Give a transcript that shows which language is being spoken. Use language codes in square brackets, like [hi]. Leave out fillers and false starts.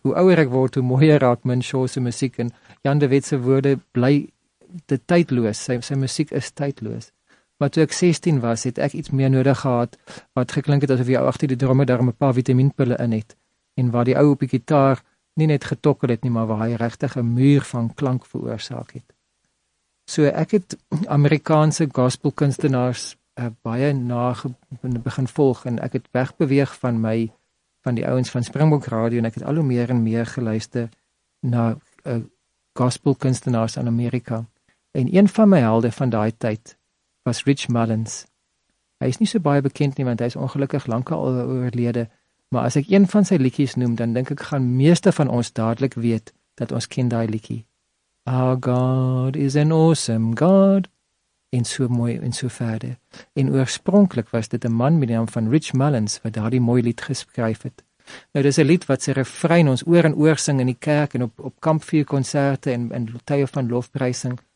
[af] Hoe ouer ek word, hoe mooier raak Min Shaw se musiek en Jan de Wet se woorde bly te tydloos. Sy musiek is tydloos. Maar toe ek 16 was, het ek iets meer nodig gehad wat geklink het asof jy agter die drome daar 'n paar vitaminpille in het. En waar die ou op die gitaar nie net getokkel het nie, maar waar hy regtig 'n muur van klank veroorsaak het. So ek het Amerikaanse gospelkunstenaars baie na begin volg en ek het wegbeweeg van die ouens van Springbok Radio en ek het al hoe meer en meer geluister na gospelkunstenaars in Amerika. En een van my helde van daai tyd was Rich Mullins. Hy is nie so baie bekend nie want hy is ongelukkig lankal oorlede, maar as ek een van sy liedjies noem, dan dink ek gaan meeste van ons dadelik weet dat ons ken daai liedjie. [en] Our God is an awesome God. [af] En so mooi en so verder. En oorspronklik was dit 'n man met die naam van Rich Mullins wat daardie mooi lied geskryf het. Nou, dis 'n lied wat sy refrein ons oor en oor sing in die kerk en op kampvuurkonserte en tye van lofprysing.